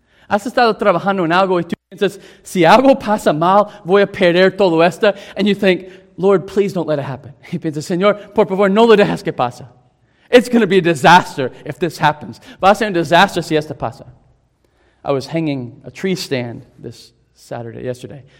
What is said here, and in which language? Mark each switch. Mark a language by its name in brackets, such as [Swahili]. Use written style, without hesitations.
[Spanish] Has estado trabajando en algo y tú piensas, si algo pasa mal, voy a perder todo esto. [English] And you think, Lord, please don't let it happen. [Spanish] Y piensas, Señor, por favor, no lo dejes que pasa. [English] It's going to be a disaster if this happens. [Spanish] Va a ser un disaster si esto pasa. [English] I was hanging a tree stand this Saturday, yesterday.